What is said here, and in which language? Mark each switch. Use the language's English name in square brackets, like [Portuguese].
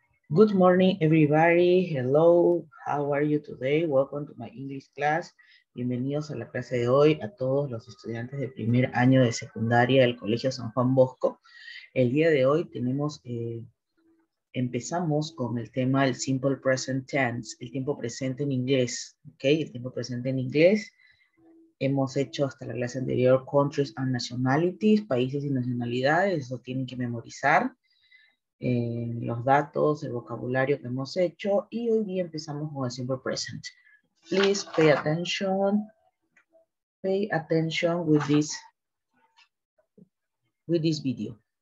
[English] Good morning, everybody. Hello. How are you today? Welcome to my English class. [Spanish] Bienvenidos a la clase de hoy a todos los estudiantes de primer año de secundaria del Colegio San Juan Bosco. El día de hoy tenemos, empezamos con el tema del [English] simple present tense, [Spanish] el tiempo presente en inglés. Okay, el tiempo presente en inglés. Hemos hecho hasta la clase anterior [English] countries and nationalities, [Spanish] países y nacionalidades. Eso tienen que memorizar. Los datos, el vocabulario que hemos hecho, y hoy día empezamos con el simple present. [English] Please pay attention. Pay attention with this video.